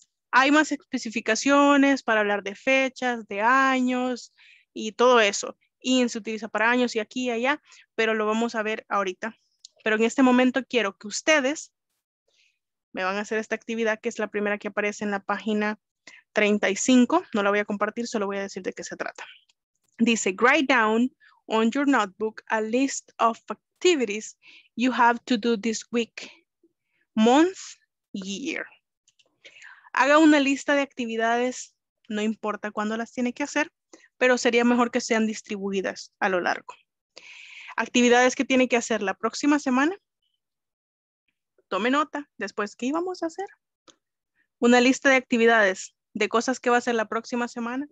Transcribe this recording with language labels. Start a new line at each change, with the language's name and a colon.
Spanish: Hay más especificaciones para hablar de fechas, de años y todo eso. In se utiliza para años y aquí y allá, pero lo vamos a ver ahorita. Pero en este momento quiero que ustedes me van a hacer esta actividad, que es la primera que aparece en la página 35. No la voy a compartir, solo voy a decir de qué se trata. Dice,
English: write down on your notebook a list of activities you have to do this week, month, year.
Spanish: Haga una lista de actividades, no importa cuándo las tiene que hacer, pero sería mejor que sean distribuidas a lo largo. Actividades que tiene que hacer la próxima semana. Tome nota. Después, ¿qué íbamos a hacer? Una lista de actividades, de cosas que va a hacer la próxima semana.